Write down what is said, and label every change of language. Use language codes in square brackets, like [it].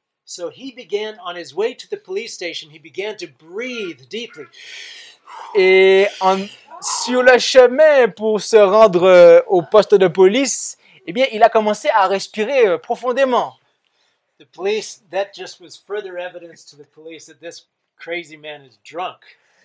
[en] So he began on his way to the police station. He began to breathe deeply. [fr] Et sur le chemin pour se rendre au poste de police, eh bien, il a commencé à respirer profondément. [en] The police. That just was further evidence to the police that this crazy man is drunk.